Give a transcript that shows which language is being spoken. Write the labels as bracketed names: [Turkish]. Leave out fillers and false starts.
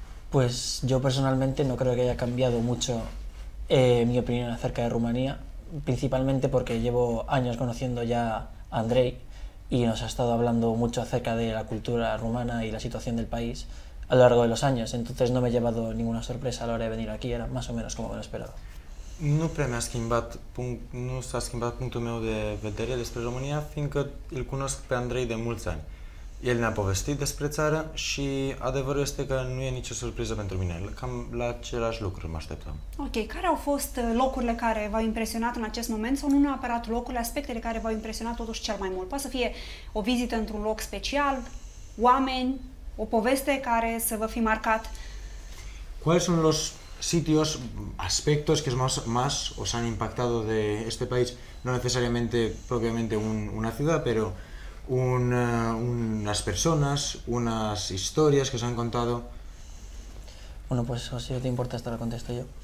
[Spanish] Pues yo personalmente no creo que haya cambiado mucho mi opinión acerca de Rumanía, principalmente porque llevo años conociendo ya a Andrei y nos ha estado hablando mucho acerca de la cultura rumana y la situación del país a lo largo de los años, entonces no me he llevado ninguna sorpresa a la hora de venir aquí, era más o menos como me lo esperaba. [Romanian] Nu prea mi-a schimbat nu s-a schimbat punctul meu de vedere despre România, fiindcă îl cunosc pe Andrei de mulți ani. El ne-a povestit despre țară și adevărul este că nu e nicio surpriză pentru mine. Cam la același lucru mă așteptam. Ok. Care au fost locurile care v-au impresionat în acest moment sau nu neapărat locurile, aspectele care v-au impresionat totuși cel mai mult? Poate să fie o vizită într-un loc special, oameni, o poveste care să vă fi marcat? [Spanish] Quali sunt los sitios, aspectos que más os han impactado de este país? No necesariamente propiamente una ciudad, pero unas personas, unas historias que os han contado. Bueno, pues si no te importa, esto lo contesto yo.